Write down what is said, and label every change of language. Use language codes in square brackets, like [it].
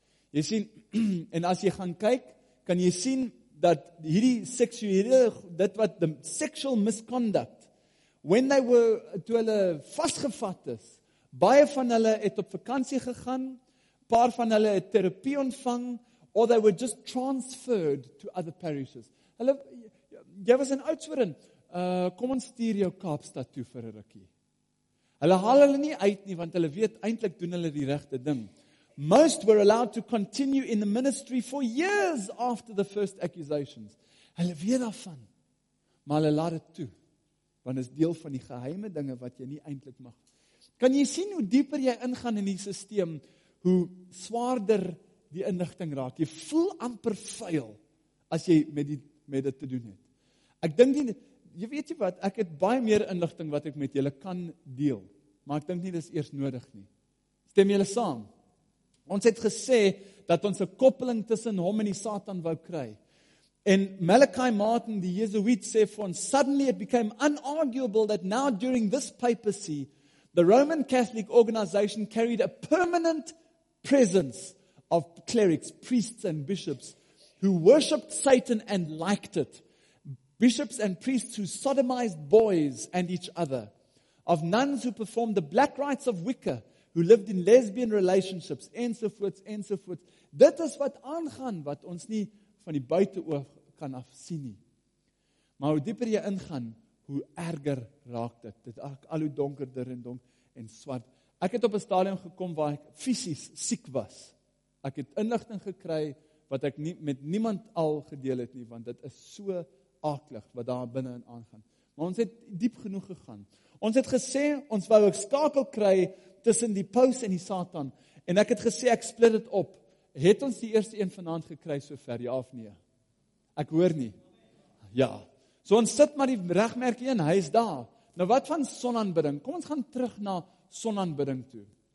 [af] Jy sien, en as jy gaan kyk, kan jy sien dat hierdie seksuele, dit wat [en] the sexual misconduct, when they were, [af] toe hulle vasgevat is, baie van hulle het op vakansie gegaan, paar van hulle het terapie ontvang, [en] or they were just transferred to other parishes. [af] Hulle, jy was in Oudtshoorn, kom ons stuur jou Kaapstad toe vir 'n rukkie. Hulle haal hulle nie uit nie, want hulle weet, eintlik doen hulle die regte ding. [en] Most were allowed to continue in the ministry for years after the first accusations. [af] Hulle weet daarvan, maar hulle laat dit toe. Want dit is deel van die geheime dinge wat jy nie eintlik mag. Kan jy sien hoe dieper jy ingaan in die systeem, hoe swaarder die inligting raak. Jy voel amper vuil as jy met dit te doen het. Ek dink nie, jy weet jy wat, ek het baie meer inligting wat ek met julle kan deel. Maar ek dink nie dis eers nodig nie. Stem julle saam? Ons het gesê dat ons 'n koppeling tussen hom en die Satan wou kry. En Malachi Martin, die Jesuit, sê vir ons, [en] suddenly it became unarguable that now during this papacy, the Roman Catholic organization carried a permanent presence of clerics, priests and bishops who worshipped Satan and liked it. Bishops and priests who sodomized boys and each other. Of nuns who performed the black rites of Wicca, who lived in lesbian relationships, [af] enzovoorts, enzovoorts. Dit is wat aangaan, wat ons nie van die buitenoog kan afsien nie. Maar hoe dieper jy ingaan, hoe erger raak dit. Dit raak al hoe donkerder en donk en swart. Ek het op 'n stadium gekom waar ek fisies siek was. Ek het inligting gekry wat ek nie met niemand al gedeel het nie, want dit is so aaklig wat daar binnenin aangaan. Maar ons het diep genoeg gegaan. Ons het gesê, ons wou ook skakel kry tussen die paus en die Satan. En ek het gesê, ek split het op. Het ons die eerste een vanavond gekry so ver, ja of nee? Ek hoor nie. Ja. So ons sit maar die regmerkie in, hy is daar. Nou wat van sonaanbidding? Kom ons gaan terug na sonaanbidding toe.